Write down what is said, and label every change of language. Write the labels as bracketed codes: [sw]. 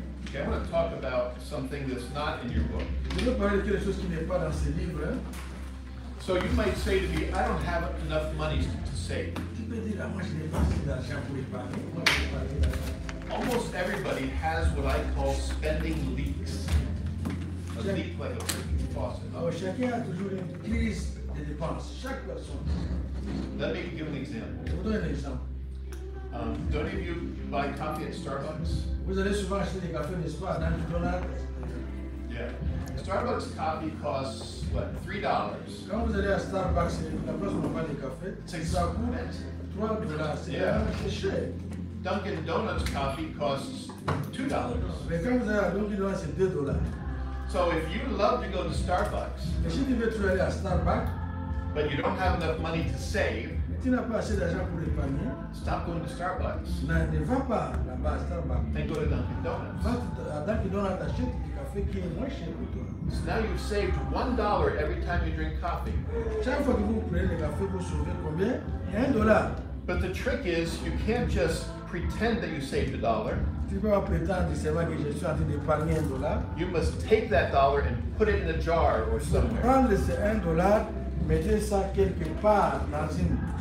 [en] Okay, I want to talk about something that's not in your book. [fr] Je veux parler de quelque chose qui n'est pas dans ce livre. [en] So you might say to me, I don't have enough money to save. [fr] Tu peux dire, ah, moi je n'ai pas assez d'argent pour épargner. [en] Almost everybody has what I call spending leaks. A leak like a freaking faucet. [fr] Alors chacun a toujours une crise de dépenses. Chaque personne. [en] Let me give an example. [fr] Je vous donne un exemple. [en] Do any of you buy coffee at Starbucks? [fr] Vous allez souvent acheter des cafés, n'est-ce pas, dans le dollar? [en] Yeah. Starbucks coffee costs, what, $3? [fr] Quand vous allez à Starbucks, la place où on prend des cafés, ça coûte $3. Yeah. C'est cher. [en] Dunkin' Donuts coffee costs $2. [fr] Mais quand vous allez à Dunkin' Donuts, c'est $2. [en] So if you love to go to Starbucks, [fr] mais si tu veux toujours aller à Starbucks, [en] but you don't have enough money to save, [fr] tu n'as pas assez d'argent pour épargner. [en] Stop going to Starbucks. [fr] Ne va pas là-bas à Starbucks. [en] And go to Dunkin' Donuts. [fr] Va à Dunkin' Donuts, achète du café qui est moins cher pour toi. [en] So now you've saved $1 every time you drink coffee. [fr] Chaque fois que vous prenez le café, vous sauvez combien? $1. [en] But the trick is, you can't just pretend that you saved a dollar. [fr] Tu peux pas prétendre, c'est vrai que je suis en train d'épargner $1. [en] You must take that dollar and put it in a jar or somewhere. [fr] Prendre ce $1, mettez ça quelque part dans une.